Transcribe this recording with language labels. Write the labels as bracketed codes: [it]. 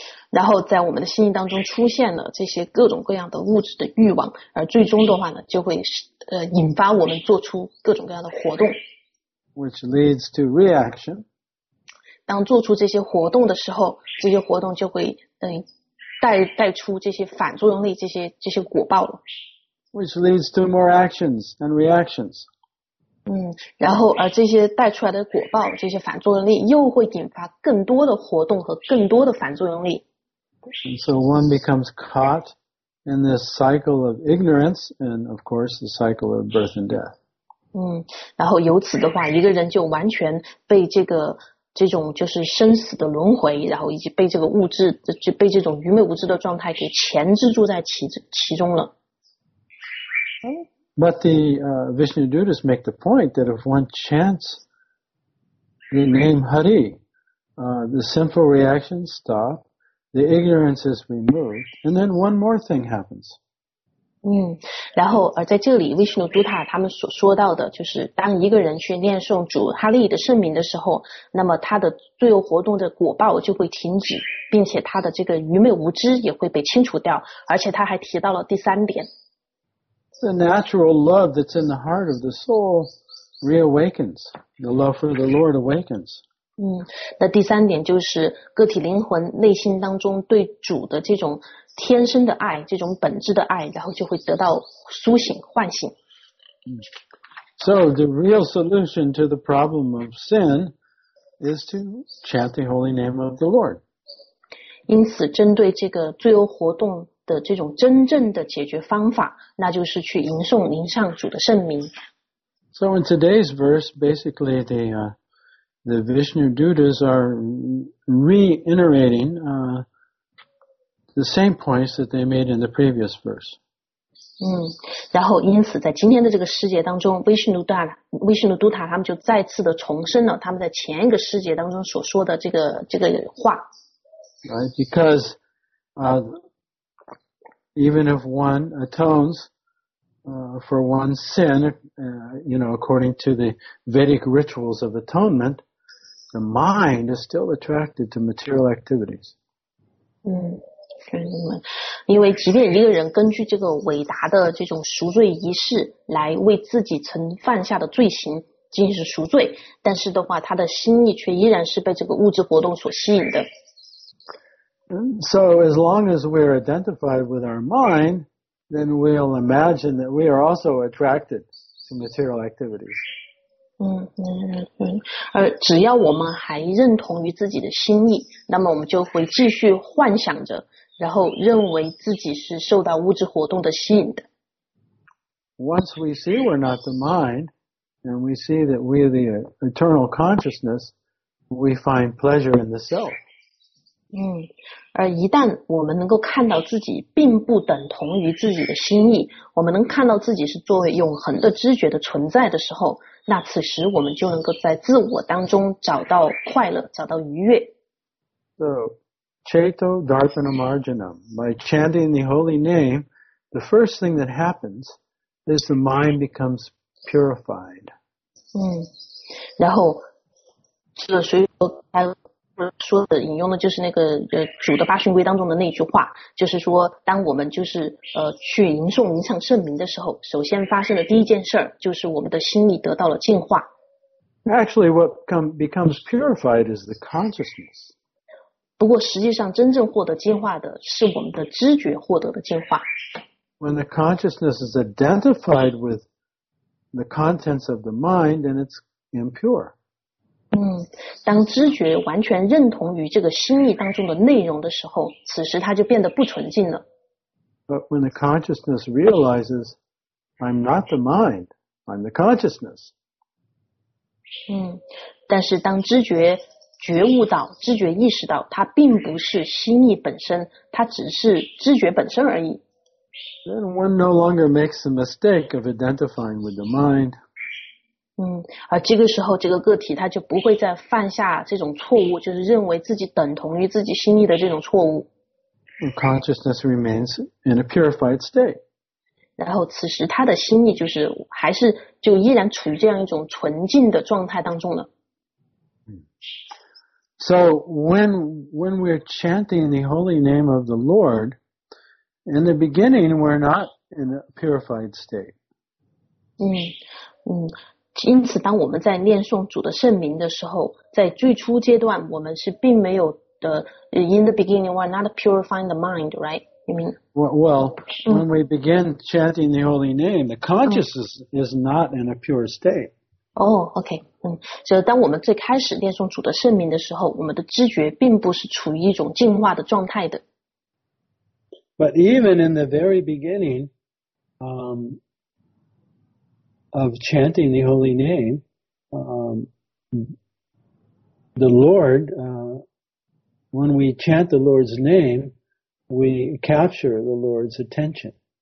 [zh] 然后在我们的心意当中出现了这些各种各样的物质的欲望，而最终的话呢，就会引发我们做出各种各样的活动。 [en] Which leads to reaction. [zh] 当做出这些活动的时候，这些活动就会带出这些反作用力，这些果报了。 [en] Which leads to more actions and reactions. [zh] 然后而这些带出来的果报，这些反作用力又会引发更多的活动和更多的反作用力。 [en] And so one becomes caught in this cycle of ignorance and, of course, the cycle of birth and death. [zh] 然后由此的话，一个人就完全被这种就是生死的轮回，然后以及被这个物质，就被这种愚昧无知的状态给钳制住在其中了。 [en] But the Vishnudutas make the point that if one chants the name Hari, the sinful reactions stop. The ignorance is removed, and then one more thing happens. [zh] 然后而在这里，维什努都塔他们所说到的，就是当一个人去念诵主哈利的圣名的时候，那么他的罪恶活动的果报就会停止，并且他的这个愚昧无知也会被清除掉。而且他还提到了第三点。 [en] The natural love that's in the heart of the soul reawakens. The love for the Lord awakens. [zh] 那第三点就是个体灵魂内心当中对主的这种天生的爱，这种本质的爱，然后就会得到苏醒、唤醒。 [en] So the real solution to the problem of sin is to chant the holy name of the Lord. [zh] 因此，针对这个罪恶活动的这种真正的解决方法，那就是去吟诵、吟唱主的圣名。 [en] So in today's verse, basically the Vishnu Dutas are reiterating the same points that they made in the previous verse. [zh] 然后因此在今天的这个世界当中，维什努都塔他们就再次的重申了他们在前一个世界当中所说的这个话。 [en] Right, because even if one atones for one's sin, according to the Vedic rituals of atonement, the mind is still attracted to material activities. [zh] 因为即便一个人根据这个伟大的这种赎罪仪式来为自己曾犯下的罪行进行赎罪，但是的话，他的心意却依然是被这个物质活动所吸引的。 [en] So as long as we're identified with our mind, then we'll imagine that we are also attracted to material activities. [zh] 而只要我们还认同于自己的心意，那么我们就会继续幻想着，然后认为自己是受到物质活动的吸引的。 [en] Once we see we're not the mind, and we see that we are the eternal consciousness, we find pleasure in the self. [zh] 而一旦我们能够看到自己并不等同于自己的心意，我们能看到自己是作为永恒的知觉的存在的时候，那此时我们就能够在自我当中找到快乐，找到愉悦。 [en] So, [sa] Chaito Dharpana Marjanam, [en] by chanting the holy name, the first thing that happens is the mind becomes purified. [zh] 然后这个水果开了说的引用的就是那个主的八训规当中的那句话，就是说当我们就是去吟诵吟唱圣名的时候，首先发生的第一件事就是我们的心理得到了净化。 [en] Actually what becomes purified is the consciousness. [zh] 不过实际上真正获得净化的是我们的知觉获得的净化。 [en] When the consciousness is identified with the contents of the mind, then it's impure. [zh] 当知觉完全认同于这个心意当中的内容的时候，此时它就变得不纯净了。 [en] But when the consciousness realizes, I'm not the mind, I'm the consciousness. [zh] 但是当知觉觉悟到，知觉意识到，它并不是心意本身，它只是知觉本身而已。 [en] Then one no longer makes the mistake of identifying with the mind. [zh] 而这个时候，这个个体他就不会再犯下这种错误，就是认为自己等同于自己心意的这种错误。 [en] Consciousness remains in a purified state. [zh] 然后此时他的心意就是还是就依然处于这样一种纯净的状态当中了。 [en] So when we're chanting the holy name of the Lord, in the beginning we're not in a purified state. [zh] 因此当我们在念诵主的圣名的时候，在最初阶段我们是并没有的。 [en] In the beginning we're not purifying the mind, right? You mean? Well, when we begin chanting the holy name, the consciousness is not in a pure state. Oh, okay. [zh] 所以当我们最开始念诵主的圣名的时候，我们的知觉并不是处于一种净化的状态的。 [en] But even in the very beginning, of chanting the holy name, the Lord, when we chant the Lord's name, we capture the Lord's attention.